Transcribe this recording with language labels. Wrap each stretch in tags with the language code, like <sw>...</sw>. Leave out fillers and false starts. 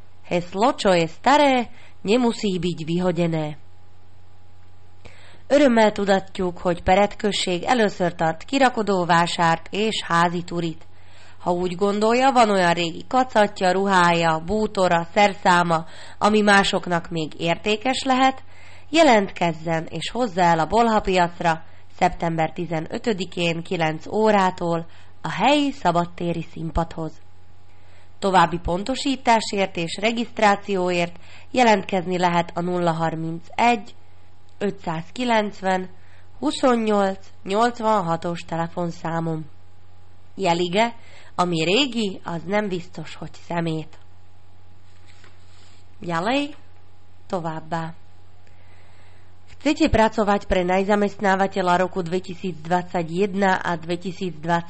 <sk>Heslo, čo je staré, nemusí byť vyhodené.</sk> <hu>Örömmel tudatjuk, hogy Peretkösség először tart kirakodó vásárt és házi turit. Ha úgy gondolja, van olyan régi kacatja, ruhája, bútora, szerszáma, ami másoknak még értékes lehet, jelentkezzen és hozza el a Bolha piacra, szeptember 15-én 9 órától a helyi szabadtéri színpadhoz. További pontosításért és regisztrációért jelentkezni lehet a 031 590 28 86-os telefonszámon. Jelige, ami régi, az nem biztos, hogy szemét. Jalej, továbbá.</hu> <sk>Chcete pracovať pre najzamestnávateľa roku 2021 a 2022?</sk>